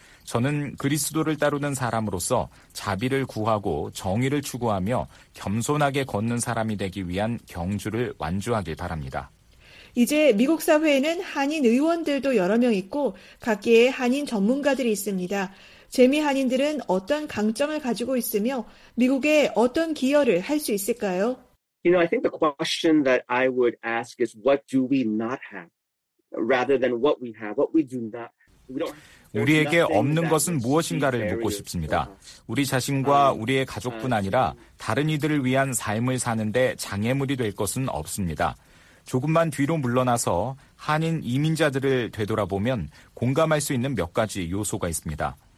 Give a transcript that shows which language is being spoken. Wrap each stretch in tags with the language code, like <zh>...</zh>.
<ko>저는 그리스도를 따르는 사람으로서 자비를 구하고 정의를 추구하며 겸손하게 걷는 사람이 되기 위한 경주를 완주하길 바랍니다. 이제 미국 사회에는 한인 의원들도 여러 명 있고 각계의 한인 전문가들이 있습니다. 재미 한인들은 어떤 강점을 가지고 있으며 미국에 어떤 기여를 할 수 있을까요?</ko> <en>You know, I think the question that I would ask is what do we not have rather than what we have, what we do not have.</en> <ko>우리에게 없는 것은 무엇인가를 묻고 싶습니다. 우리 자신과 우리의 가족뿐 아니라 다른 이들을 위한 삶을 사는데 장애물이 될 것은 없습니다. 조금만 뒤로 물러나서 한인 이민자들을 되돌아보면 공감할 수 있는 몇 가지 요소가 있습니다.</ko>